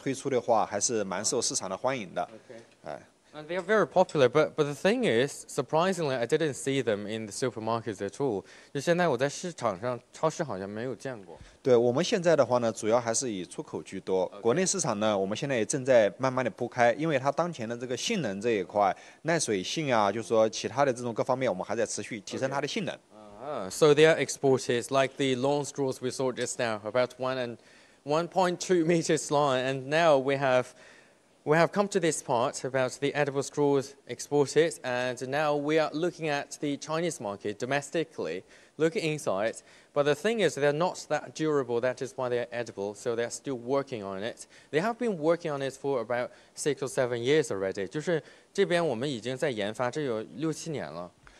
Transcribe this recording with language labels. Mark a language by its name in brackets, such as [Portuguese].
[Chinese] 目前在这个市场上面现在推出的话还是蛮受市场的欢迎的。 [English] Okay. And they are very popular, but the thing is, surprisingly, I didn't see them in the supermarkets at all. [Chinese] 就现在我在市场上、超市好像没有见过。对，我们现在的话呢，主要还是以出口居多。国内市场呢，我们现在也正在慢慢的铺开，因为它当前的这个性能这一块、耐水性啊，就是说其他的这种各方面，我们还在持续提升它的性能。 [English] So they are exported, like the long straws we saw just now, about 1 and 1.2 meters long, and now we have We have come to this part about the edible straws exported, and now we are looking at the Chinese market domestically, looking inside. But the thing is, they're not that durable. That is why they're edible, so they're still working on it. They have been working on it for about 6 or 7 years already. [Chinese] 就是这边我们已经在研发，这有六七年了。